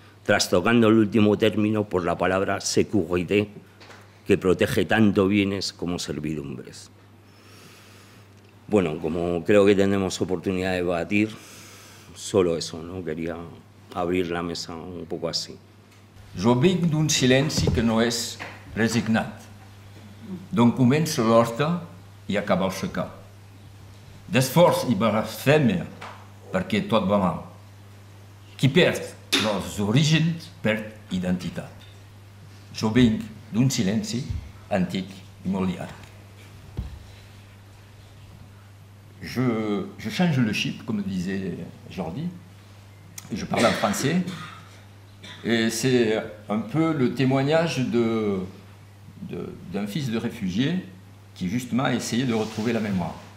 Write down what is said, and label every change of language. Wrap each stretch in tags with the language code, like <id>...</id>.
<es>Trastocando el último término por la palabra sécurité, que protege tanto bienes como servidumbres. Bueno, como creo que tenemos oportunidad de debatir, solo eso, ¿no? Quería abrir la mesa un poco así.</es> <ca>Jo vinc d'un silenci que no és resignat, d'on comença l'horta i acaba el secà, d'esforç i blasfèmia perquè tot va mal. Qui perd els orígens perd identitat. Jo vinc d'un silenci antic i molt llarg.</ca> <fr>Je change le chip, comme disait Jordi. Je parle en français. Et c'est un peu le témoignage d'un fils de réfugié qui justement a essayé de retrouver la mémoire.</fr>